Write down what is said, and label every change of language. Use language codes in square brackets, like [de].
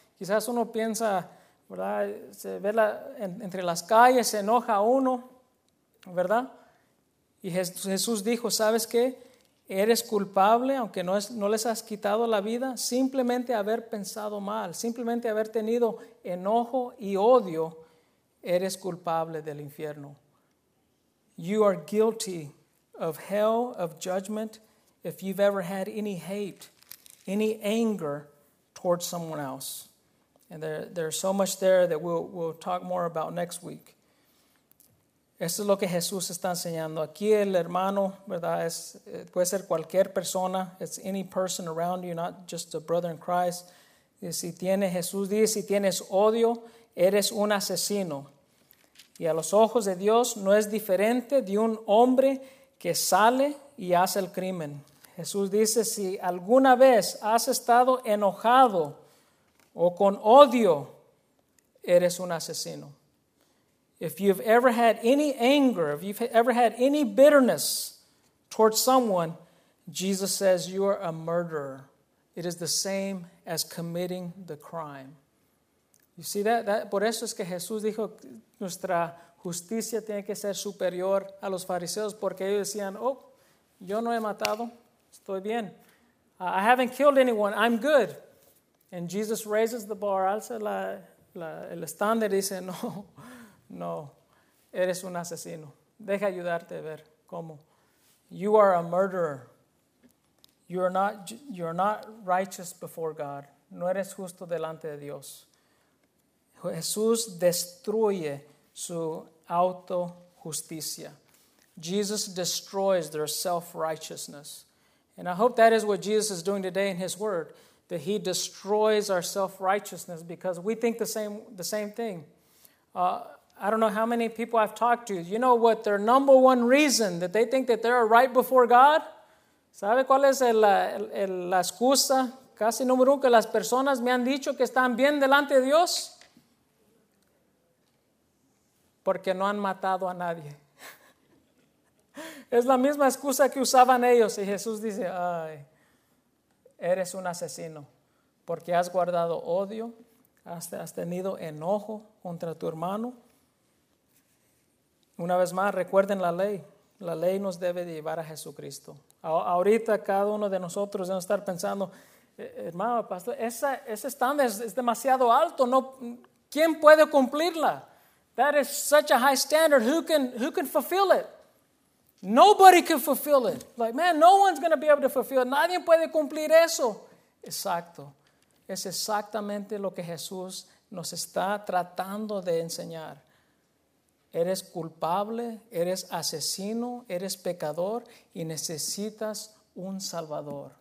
[es] Quizás uno piensa, ¿verdad? Se ve entre las calles, se enoja uno, ¿verdad? Y Jesús dijo, ¿sabes qué? Eres culpable, aunque no les has quitado la vida, simplemente haber pensado mal, simplemente haber tenido enojo y odio, eres culpable del infierno. [en] You are guilty of hell, of judgment, if you've ever had any hate, any anger towards someone else. And there's so much there that we'll talk more about next week. [es] Esto es lo que Jesús está enseñando. Aquí el hermano, ¿verdad? Puede ser cualquier persona. [en] It's any person around you, not just a brother in Christ. [es] Y si tiene, Jesús dice, si tienes odio, eres un asesino. Y a los ojos de Dios no es diferente de un hombre que sale y hace el crimen. Jesús dice, si alguna vez has estado enojado o con odio, eres un asesino. [en] If you've ever had any anger, if you've ever had any bitterness towards someone, Jesus says you are a murderer. It is the same as committing the crime. You see that? [es] Por eso es que Jesús dijo, nuestra justicia tiene que ser superior a los fariseos, porque ellos decían, oh, yo no he matado, estoy bien. [en] I haven't killed anyone, I'm good. And Jesus raises the bar, [es] alza el estándar y dice, no, no, eres un asesino. Deja ayudarte a ver cómo. [en] You are a murderer. You're not righteous before God. [es] No eres justo delante de Dios. Jesús destruye su auto-justicia. [en] Jesus destroys their self-righteousness. And I hope that is what Jesus is doing today in his word, that he destroys our self-righteousness, because we think the same thing. I don't know how many people I've talked to. You know what their number one reason that they think that they're right before God? [es] ¿Sabe cuál es la excusa? Casi número uno que las personas me han dicho que están bien delante de Dios. Porque no han matado a nadie. Es la misma excusa que usaban ellos. Y Jesús dice, ay, eres un asesino. Porque has guardado odio. Has tenido enojo contra tu hermano. Una vez más, recuerden la ley. La ley nos debe llevar a Jesucristo. Ahorita cada uno de nosotros debe estar pensando, hermano, pastor, ese estándar es demasiado alto. No, ¿quién puede cumplirla? [en] That is such a high standard. Who can fulfill it? Nobody can fulfill it. Like, man, no one's going to be able to fulfill it. [es] Nadie puede cumplir eso. Exacto. Es exactamente lo que Jesús nos está tratando de enseñar. Eres culpable, eres asesino, eres pecador y necesitas un salvador.